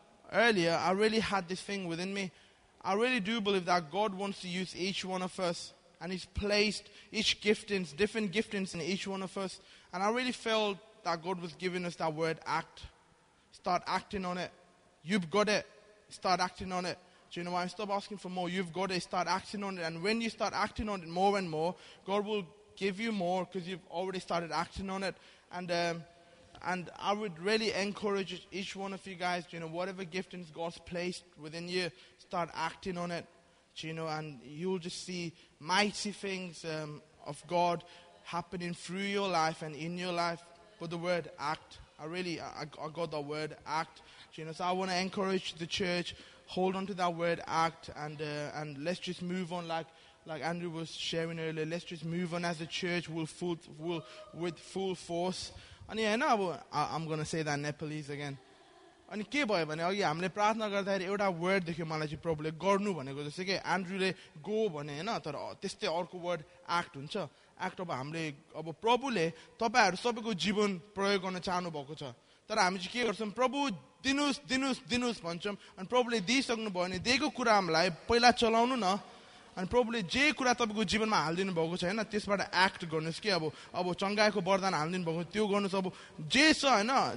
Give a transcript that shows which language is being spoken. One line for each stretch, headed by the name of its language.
English: Earlier I really had this thing within me I really do believe that God wants to use each one of us and is placed each giftings different giftings in each one of us and I really feel that God was giving us that word act start acting on it you've got it Start acting on it. Do you know why? Stop asking for more. You've got to start acting on it. And when you start acting on it more and more, God will give you more because you've already started acting on it. And I would really encourage each one of you guys, you know, whatever giftings God's placed within you, start acting on it. Do you know, and you'll just see mighty things of God happening through your life and in your life. But the word act, I got the word act. You know, so I want to encourage the church, hold on to that word act, and let's just move on like Andrew was sharing earlier. Let's just move on as a church with full force. And yeah, now I'm going to say that Nepalese again.
Nepali: अनि के भयो भने अघि हामीले प्रार्थना गर्दाखेरि एउटा word देख्यो मलाई चाहिँ प्रभुले गर्नु भनेको जस्तो कि एन्ड्रुले गो भने होइन तर त्यस्तै अर्को वर्ड एक्ट हुन्छ एक्ट अब हामीले अब प्रभुले तपाईँहरू सबैको जीवन प्रयोग गर्न चाहनुभएको छ तर हामी चाहिँ के गर्छौँ प्रभु दिनुहोस् दिनुहोस् दिनुहोस् भन्छौँ अनि प्रभुले दिइसक्नुभयो भने दिएको कुरा हामीलाई पहिला चलाउनु न अनि प्रभुले जे कुरा तपाईँको जीवनमा हालिदिनु भएको छ होइन त्यसबाट एक्ट गर्नुहोस् कि अब चङ्गाएको वरदान हालिदिनु भएको छ त्यो गर्नुहोस् अब जे छ होइन